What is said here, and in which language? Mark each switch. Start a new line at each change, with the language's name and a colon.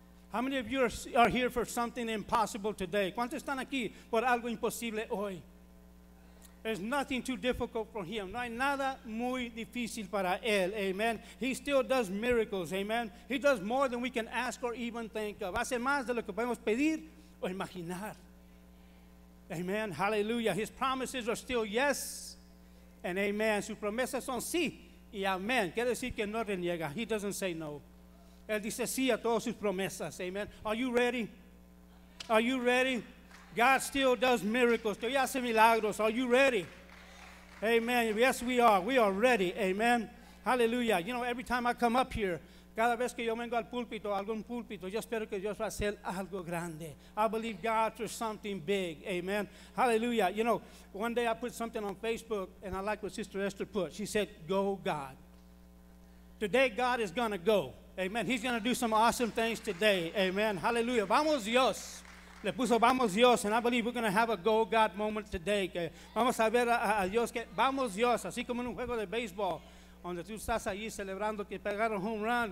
English: How many of you are here for something impossible today?
Spanish: ¿Cuántos están aquí por algo imposible hoy?
English: There's nothing too difficult for him.
Spanish: No hay nada muy difícil para él.
English: Amen. He still does miracles. Amen. He does more than we can ask or even think of.
Spanish: Hace más de lo que podemos pedir o imaginar.
English: Amen. Hallelujah. His promises are still yes and amen.
Spanish: Sus promesas son sí y amén. Quiere decir que no reniega.
English: He doesn't say no.
Spanish: Él dice sí a todas sus promesas.
English: Amen. Are you ready?
Spanish: Are you ready?
English: God still does miracles.
Spanish: Todavía hace milagros.
English: Are you ready? Amen. Yes, we are. We are ready. Amen. Hallelujah. You know, every time I come up here,
Spanish: cada vez que yo vengo al púlpito, algún púlpito, yo espero que Dios va a hacer algo grande.
English: I believe God for something big. Amen. Hallelujah. You know, one day I put something on Facebook, and I like what Sister Esther put. She said, go, God. Today, God is going to go. Amen. He's going to do some awesome things today. Amen. Hallelujah.
Spanish: Vamos, Dios. Le puso vamos Dios,
English: and I believe we're going to have a go God moment today.
Spanish: Que vamos a ver a Dios que vamos Dios, así como en un juego de béisbol, donde tú estás allí celebrando que pegaron home run.